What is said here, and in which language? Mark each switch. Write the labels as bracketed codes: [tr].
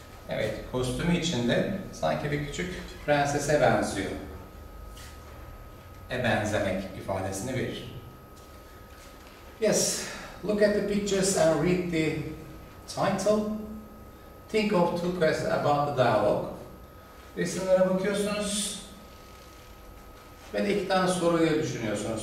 [tr] Evet, kostümü içinde sanki bir küçük prensese benziyor. Benzemek ifadesini verir. [en] Yes, look at the pictures and read the title. Think of two questions about the dialogue. [tr] Resimlere bakıyorsunuz ve de iki tane soruyu düşünüyorsunuz.